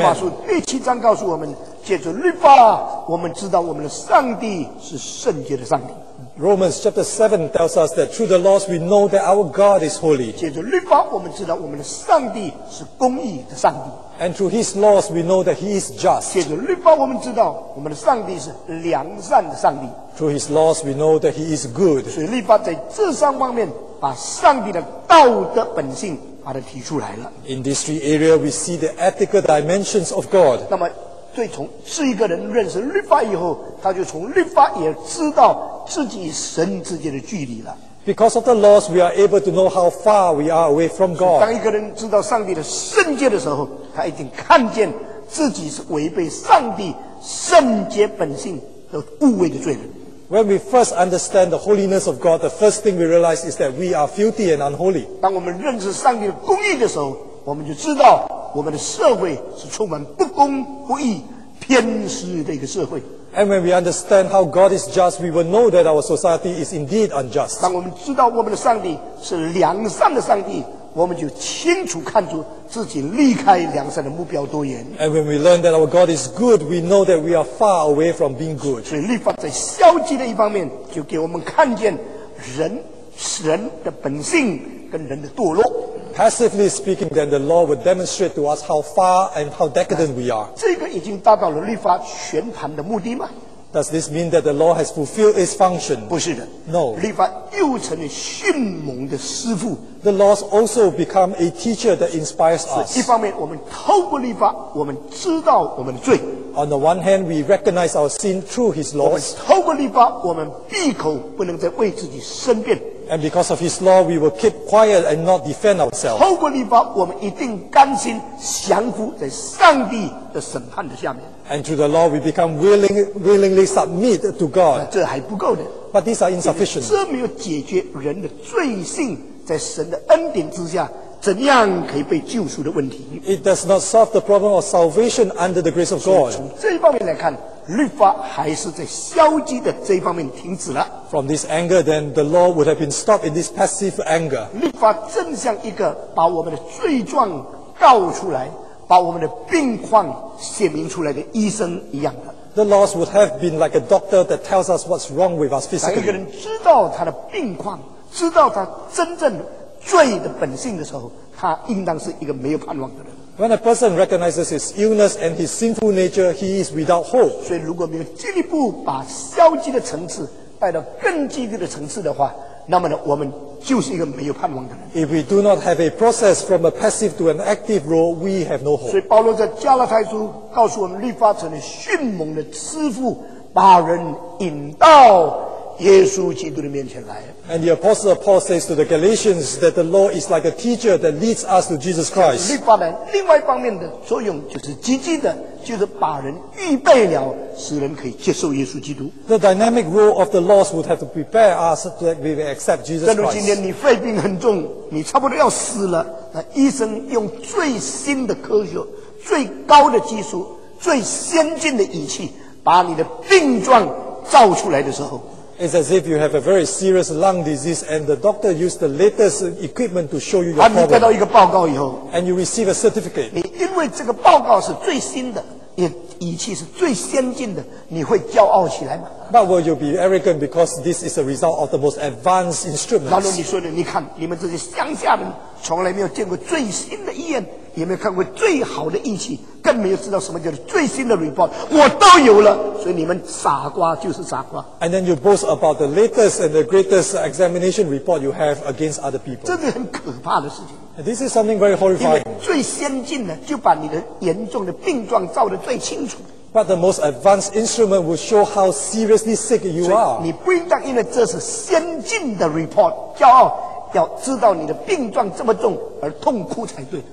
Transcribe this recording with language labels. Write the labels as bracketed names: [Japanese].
[Chinese] 罗马书第七章告诉我们，借着律法，我们知道我们的上帝是圣洁的上帝。 [English] Romans chapter 7 tells us that through the laws we know that our God is holy. [Chinese] 借着律法，我们知道我们的上帝是公义的上帝。 [English] And through His laws we know that He is just. [Chinese] 借着律法，我们知道我们的上帝是良善的上帝。 [English] Through His laws we know that He is good. [Chinese] 所以律法在这三方面。把上帝的道德本性把它提出来了。 [English] In this three area, we see the ethical dimensions of God. [Chinese] 那么，对从是一个人认识律法以后，他就从律法也知道自己与神之间的距离了。 [English] Because of the laws, we are able to know how far we are away from God. [Chinese] 当一个人知道上帝的圣洁的时候，他已经看见自己是违背上帝圣洁本性的污秽的罪人。 [English] When we first understand the holiness of God, the first thing we realize is that we are filthy and unholy. [Chinese] 当我们认识上帝的公义的时候，我们就知道我们的社会是充满不公、不义、偏私的一个社会。 [English] And when we understand how God is just, we will know that our society is indeed unjust. [Chinese] 当我们知道我们的上帝是良善的上帝，我们就清楚看出自己离开良善的目标多远。 [English] And when we learn that our God is good, we know that we are far away from being good. [Chinese] 所以律法在消极的一方面，就给我们看见人的本性跟人的堕落。 [English] Passively speaking, then the law would demonstrate to us how far and how decadent we are. [Chinese] 这个已经达到了律法全盘的目的吗？ [English] Does this mean that the law has fulfilled its function? [Chinese] 不是的。 [English] No. [Chinese] 律法又成了迅猛的师父。 [English] The laws also become a teacher that inspires us. [Chinese] 一方面，我们透过律法，我们知道我们的罪。 [English] On the one hand, we recognize our sin through His laws. [Chinese] 我们透过律法，我们闭口不能再为自己申辩。 [English] And because of His law, we will keep quiet and not defend ourselves. [Chinese] 透过律法，我们一定甘心降服在上帝的审判的下面。 [English] And through the law, we become willingly submit to God. [Chinese] 这还不够的。 [English] But these are insufficient. [Chinese] 这没有解决人的罪性。在神的恩典之下，怎样可以被救赎的问题 [English] ？It does not solve the problem of salvation under the grace of God. [Chinese] 从这一方面来看，律法还是在消极的这一方面停止了。 [English] From this anger, then the law would have been stopped in this passive anger. [Chinese] 律法正像一个把我们的罪状告出来，把我们的病况显明出来的医生一样的。 [English] The laws would have been like a doctor that tells us what's wrong with us physically. [Chinese] 当一个人知道他的病况。知道他真正罪的本性的时候，他应当是一个没有盼望的人。 [English] When a person recognizes his illness and his sinful nature, he is without hope. [Chinese] 所以如果没有进一步把消极的层次带到更积极的层次的话，那么呢，我们就是一个没有盼望的人。 [English] If we do not have a process from a passive to an active role, we have no hope. [Chinese] 所以保罗在加拉太书告诉我们，律法成了迅猛的师父，把人引到耶稣基督的面前来。 [English] And the apostle Paul says to the Galatians that the law is like a teacher that leads us to Jesus Christ. [Chinese] 另外一方面的作用就是积极的，就是把人预备了，使人可以接受耶稣基督。 [English] The dynamic role of the laws would have to prepare us that we will accept Jesus Christ. [Chinese] 正如今天你肺病很重，你差不多要死了，那医生用最新的科学、最高的技术、最先进的仪器，把你的病状照出来的时候。 [English] It's as if you have a very serious lung disease and the doctor used the latest equipment to show you your problem. [Chinese] 你得到一个报告以后 [English] and you receive a certificate. [Chinese] 你因为这个报告是最新的，你仪器是最先进的，你会骄傲起来吗？ [English] But will you be arrogant because this is a result of the most advanced instruments? [Chinese] 然后你说的，你看，你们这些乡下人从来没有见过最新的医院，也没有看过最好的仪器，更没有知道什么叫做最新的 report， 我都有了，所以你们傻瓜就是傻瓜。 [English] And then you boast about the latest and the greatest examination report you have against other people. [Chinese] 这是很可怕的事情。 [English] And this is something very horrifying. [Chinese] 因为最先进的就把你的严重的病状照得最清楚。 [English] But the most advanced instrument will show how seriously sick you are. [Chinese] 你不应当因为这是先进的 report 骄傲。要知道你的病状这么重而痛哭才对。